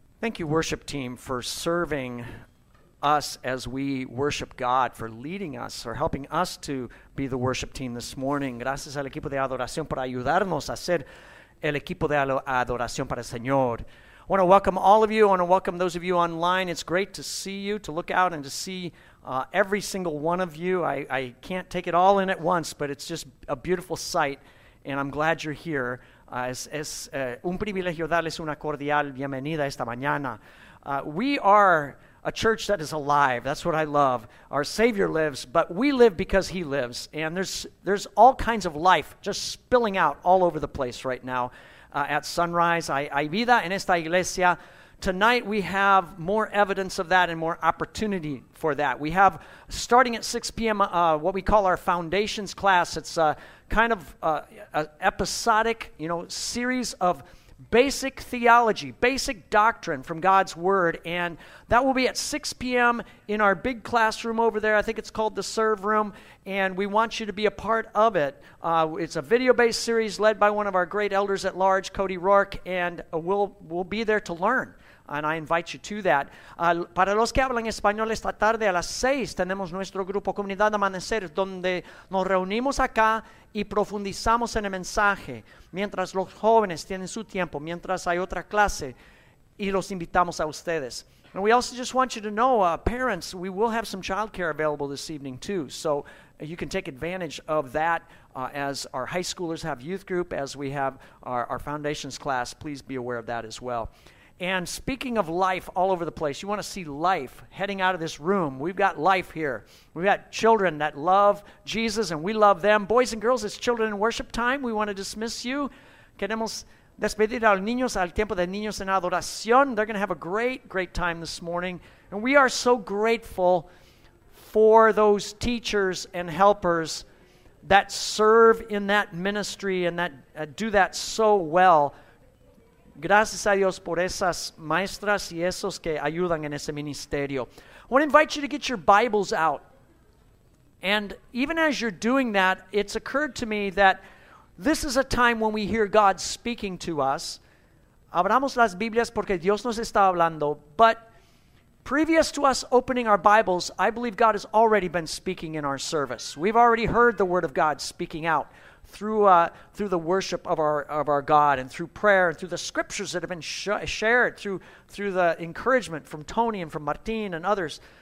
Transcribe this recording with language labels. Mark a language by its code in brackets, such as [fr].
[en] Thank you, worship team, for serving us as we worship God, for leading us or helping us to be the worship team this morning. [es] Gracias al equipo de adoración por ayudarnos a ser el equipo de adoración para el Señor. [en] I want to welcome all of you. I want to welcome those of you online. It's great to see you, to look out and to see every single one of you. I can't take it all in at once, but it's just a beautiful sight, and I'm glad you're here. [es] Un privilegio darles una cordial bienvenida esta mañana. [en] We are a church that is alive. That's what I love. Our Savior lives, but we live because He lives. And there's all kinds of life just spilling out all over the place right now at sunrise. [es] Hay vida en esta iglesia. [en] Tonight we have more evidence of that and more opportunity for that. We have, starting at 6 p.m., what we call our foundations class. It's kind of an episodic, you know, series of basic theology, basic doctrine from God's Word, and that will be at 6 p.m. in our big classroom over there. I think it's called the Serve Room, and we want you to be a part of it. It's a video-based series led by one of our great elders at large, Cody Rourke, and we'll be there to learn. And I invite you to that. [es] Para los que hablan español, esta tarde a las 6 tenemos nuestro grupo Comunidad Amanecer, donde nos reunimos acá y profundizamos en el mensaje. Mientras los jóvenes tienen su tiempo, mientras hay otra clase, y los invitamos a ustedes. [en] And we also just want you to know, parents, we will have some child care available this evening too. So you can take advantage of that as our high schoolers have youth group, as we have our foundations class. Please be aware of that as well. And speaking of life all over the place, you want to see life heading out of this room. We've got life here. We've got children that love Jesus, and we love them. Boys and girls, it's children in worship time. We want to dismiss you. [es] Queremos despedir a los niños al tiempo de niños en adoración. [en] They're going to have a great, great time this morning. And we are so grateful for those teachers and helpers that serve in that ministry and that do that so well. [es] Gracias a Dios por esas maestras y esos que ayudan en ese ministerio. [en] I want to invite you to get your Bibles out. And even as you're doing that, it's occurred to me that this is a time when we hear God speaking to us. [es] Abramos las Biblias porque Dios nos está hablando. [en] But previous to us opening our Bibles, I believe God has already been speaking in our service. We've already heard the Word of God speaking out through the worship of our God, and through prayer, and through the scriptures that have been shared, through the encouragement from Tony and from Martin and others.